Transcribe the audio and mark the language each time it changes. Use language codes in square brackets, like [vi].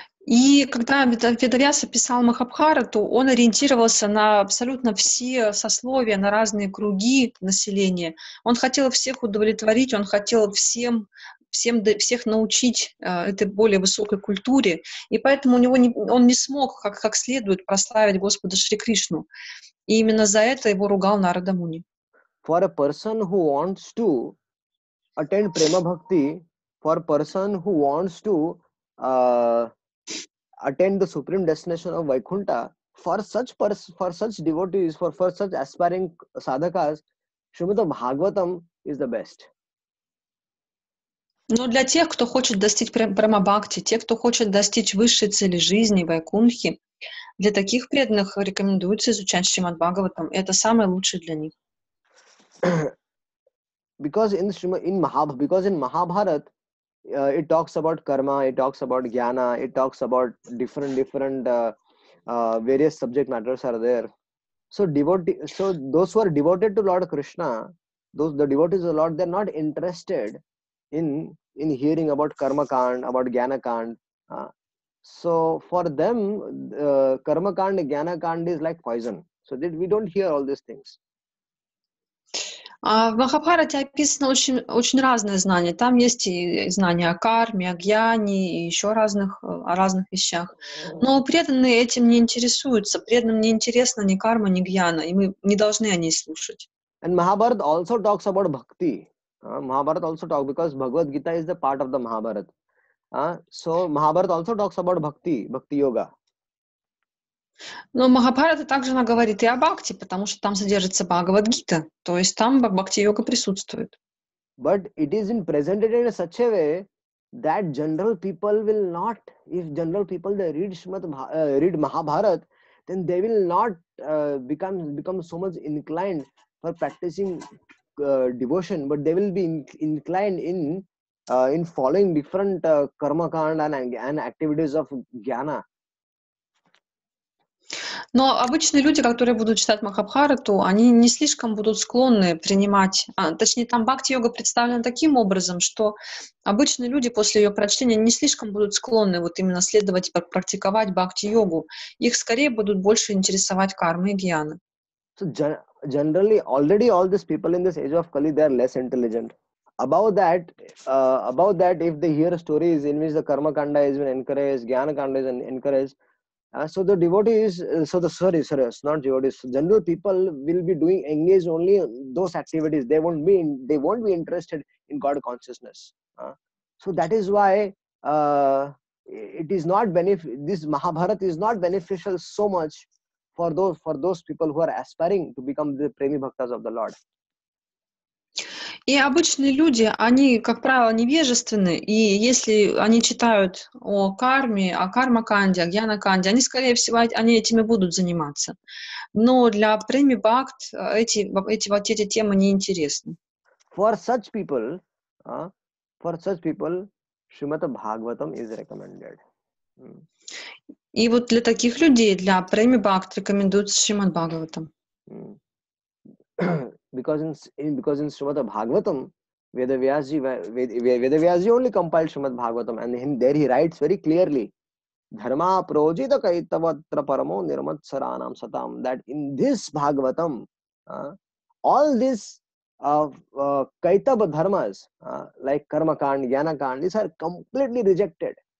[ru] И когда Ведавьяса писал Махабхарату, он ориентировался на абсолютно все сословия, на разные круги населения. Он хотел всех удовлетворить, он хотел всех научить этой более высокой культуре. И поэтому он не смог как следует прославить Господа Шри Кришну. И именно за это его ругал Нарада Муни. [en] For a person who wants to attend Prema Bhakti, for a person who wants to attend the supreme destination of Vaikuntha, for such devotees, for such aspiring sadhakas, Srimad Bhagavatam is the best. [ru] Но для тех, кто хочет достичь Према Бхакти, тех, кто хочет достичь высшей цели жизни, Вайкунхи, для таких преданных рекомендуется изучать Шримад Бхагаватам. Это самое лучшее для них. [en] Because in Mahabharata, it talks about karma, it talks about jnana, it talks about different various subject matters are there. So those who are devoted to Lord Krishna, those the devotees of the Lord, they're not interested in hearing about Karma Kand, about Jnana Kand. So for them, Karma Kand, Jnana Kand is like poison. So that we don't hear all these things. [ru] В Махабхарате описано очень, очень разные знания. Там есть и знания о карме, о гьяне, и еще разных, о разных вещах. Но преданные этим не интересуются. Преданным не интересна ни карма, ни гьяна, и мы не должны о ней слушать. [en] And Mahabharata also talks about bhakti. Mahabharata also talks, because Bhagavad Gita is the part of the Mahabharata. So Mahabharata also talks about bhakti, bhakti-yoga. [ru] Но Махабхарата также она говорит и о бхакти, потому что там содержится Бхагавад-гита, то есть там бхакти-йога присутствует. [en] But it is in presented in such a way that general people will not, if general people they read Shrimad, read Mahabharata, then they will not become so much inclined for practicing devotion, but they will be inclined in following different karma kanda and activities of jnana. [ru] Но обычные люди, которые будут читать Махабхарату, они не слишком будут склонны принимать, точнее, там бхакти-йога представлена таким образом, что обычные люди после ее прочтения не слишком будут склонны вот именно следовать и практиковать бхакти-йогу. Их скорее будут больше интересовать кармы и гьяны. [en] So generally, already all these people in this age of Kali, they are less intelligent. About that, if they hear stories in which the karma kanda has been encouraged, jnana kanda has been encouraged, so the devotees, general people will be doing engaged only those activities. They won't be interested in God consciousness. So that is why this Mahabharata is not beneficial so much for those people who are aspiring to become the premi bhaktas of the Lord. [ru] И обычные люди, они, как правило, невежественны, и если они читают о карме, о карма-канде, о гьяна-канде, они, скорее всего, они этими будут заниматься. Но для преми-бхакт эти темы неинтересны. [en] For such people, Shrimata Bhagavatam is recommended. [ru] И вот для таких людей, для преми-бхакт рекомендуется Шримад Бхагаватам. [en] Because in Srimad Bhagavatam, Vedavyasji only compiled Srimad Bhagavatam, and in there he writes very clearly, [sa] Dharma Projita Kaitavatra Paramo Nirmat Saranam Satam, [en] that in this Bhagavatam, all these Kaitava Dharmas, like Karma Kand, Jnana Kand, these are completely rejected.